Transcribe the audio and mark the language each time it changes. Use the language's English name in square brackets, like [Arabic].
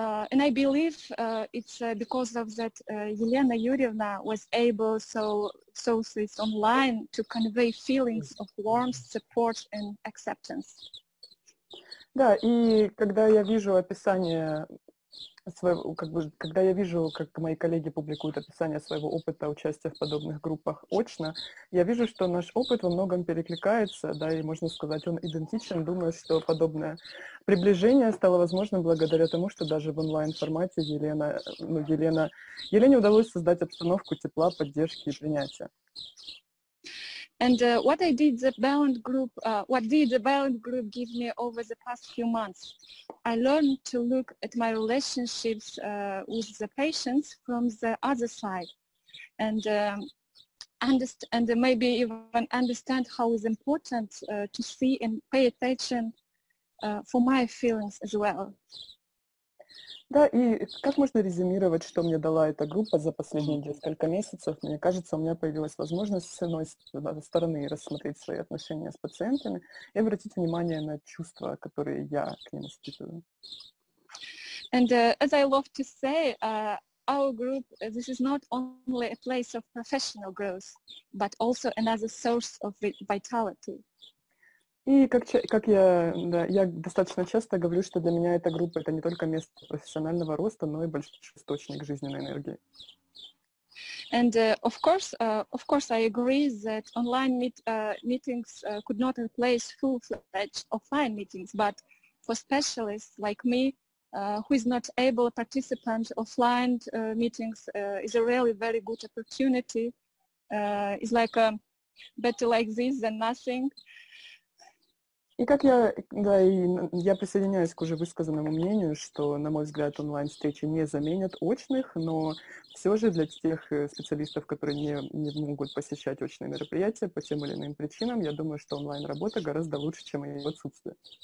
[English] And I believe it's because of that Елена Юрьевна was able so this online to convey feelings of warmth, support and acceptance. [Russian] Да, и когда я вижу описание своего, как бы, когда я вижу, как мои коллеги публикуют описание своего опыта участия в подобных группах очно, я вижу, что наш опыт во многом перекликается, да, и можно сказать, он идентичен. Думаю, что подобное приближение стало возможным благодаря тому, что даже в онлайн-формате Елене удалось создать обстановку тепла, поддержки и принятия. [English] And what did the Balint group give me over the past few months? I learned to look at my relationships with the patients from the other side, and maybe even understand how it's important to see and pay attention for my feelings as well. [Russian] Да, и как можно резюмировать, что мне дала эта группа за последние несколько месяцев? Мне кажется, у меня появилась возможность с одной стороны рассмотреть свои отношения с пациентами и обратить внимание на чувства, которые я к ним испытываю. [English] And as I love to say, our group, this is not only a place of professional growth, but also another source of vitality. [Russian] И я достаточно часто говорю, что для меня эта группа — это не только место профессионального роста, но и большой источник жизненной энергии. [English] And of course I agree that online meetings could not replace full-fledged offline meetings, but for specialists like me, who is not able participant offline meetings is a really very good opportunity. It's like better like this than nothing. [Russian] И как я, да, и я присоединяюсь к уже высказанному мнению, что, на мой взгляд, онлайн-встречи не заменят очных, но все же для тех специалистов, которые не могут посещать очные мероприятия по тем или иным причинам, я думаю, что онлайн-работа гораздо лучше, чем ее отсутствие.